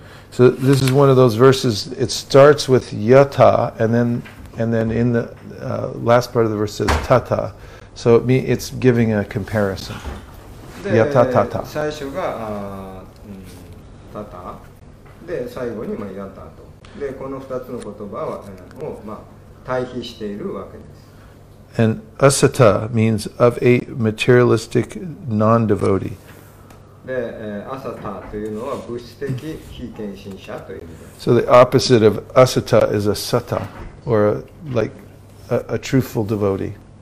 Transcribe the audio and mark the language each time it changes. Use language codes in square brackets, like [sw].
[en] So, this is one of those verses, it starts with yata, and then in the last part of the verse says tata. So, it's giving a comparison. [ja] で、最初が、タタで最後にまあヤタとでこの2つの言葉はをまあ対比しているわけです。 [en] And asata means of a materialistic non-devotee. [ja] で、asata というのは物質的非献身者という意味です。 [en] So the opposite of asata is asata, or like a truthful devotee.